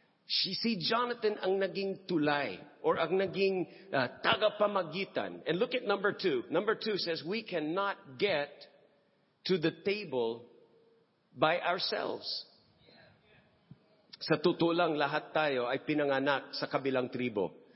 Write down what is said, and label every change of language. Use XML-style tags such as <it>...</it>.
<tl>Si Jonathan ang naging tulay or ang naging tagapamagitan.</tl> <en>And look at number two. Number two says, we cannot get to the table by ourselves.</en> <tl>Sa totoo lang, lahat tayo ay pinanganak sa kabilang tribo.</tl>